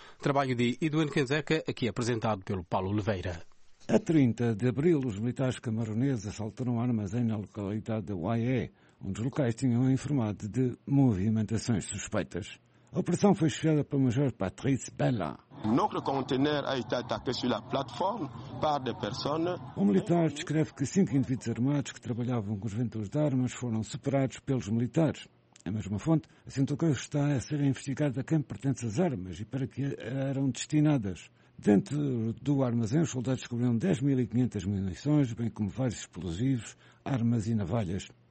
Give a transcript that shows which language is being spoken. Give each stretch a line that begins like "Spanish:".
Portuguese: Trabalho de Edwin Kenzeka, aqui apresentado pelo Paulo Oliveira. A 30 de abril, os militares camaroneses assaltaram armazém na localidade de Waié, onde os locais tinham informado de movimentações suspeitas. A operação foi chefiada pelo Major Patrice Bella.
French: Notre conteneur a été attaqué sur la plateforme par des personnes.
Portuguese: O militar descreve que 5 indivíduos armados que trabalhavam com os vendedores de armas foram separados pelos militares. A mesma fonte assentou que está a ser investigado a quem pertence as armas e para que eram destinadas. Dentro do armazém, os soldados descobriram 10.500 munições, bem como vários explosivos, armas e navalhas.